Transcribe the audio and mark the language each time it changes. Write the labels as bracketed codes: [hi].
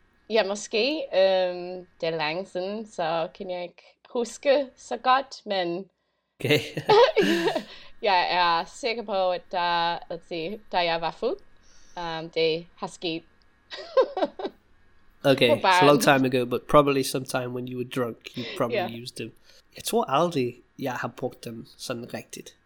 [da] Ja, måske. Det er langt siden, så kan jeg ikke huske så godt, men... Okay. Jeg er sikker på, at da jeg var fuld, det har sket. [en] Okay, it's a long time ago, but probably sometime when you were drunk, you probably used them. [da] Jeg tror aldrig, jeg har brugt dem sådan rigtigt.